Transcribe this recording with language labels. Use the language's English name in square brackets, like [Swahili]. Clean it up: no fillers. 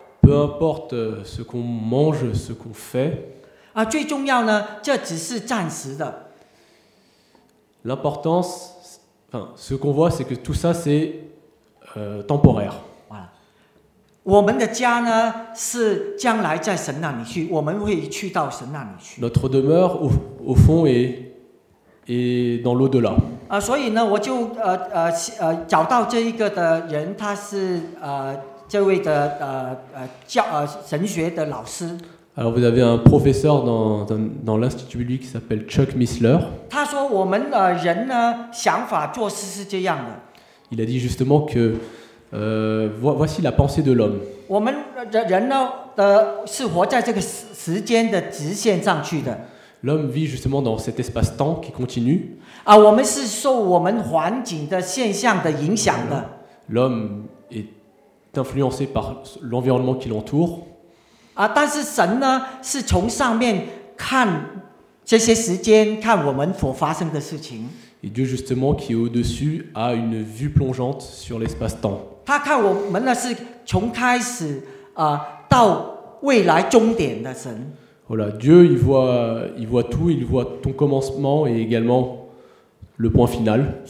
[French] Peu importe ce qu'on mange, ce qu'on fait. [Chinese] 啊，最重要呢，这只是暂时的。 [French] L'importance, enfin, ce qu'on voit, c'est que tout ça, c'est temporaire. Voilà. [Chinese] 我们的家呢，是将来在神那里去，我们会去到神那里去。 [French] Notre demeure, au fond, est dans l'au-delà. [Chinese] 啊，所以呢，我就找到这一个的人，他是这位的神学的老师。 [French] Alors vous avez un professeur dans l'institut biblique qui s'appelle Chuck Missler. [Chinese] 他说我们人呢想法做事是这样的。 [French] Il a dit justement que voici la pensée de l'homme. [Chinese] 我们人呢是活在这个时间的直线上去的。 [French] L'homme vit justement dans cet espace-temps qui continue. [Chinese] 啊，我们是受我们环境的现象的影响的。 [French] L'homme est influencé par l'environnement qui l'entoure. [Chinese] 啊，但是神呢，是从上面看这些时间，看我们所发生的事情。 [French] Et Dieu justement qui est au-dessus a une vue plongeante sur l'espace-temps. [Chinese] 他看我们呢，是从开始到未来终点的神。 [French] Voilà, Dieu, il voit tout, il voit ton commencement et également le point final.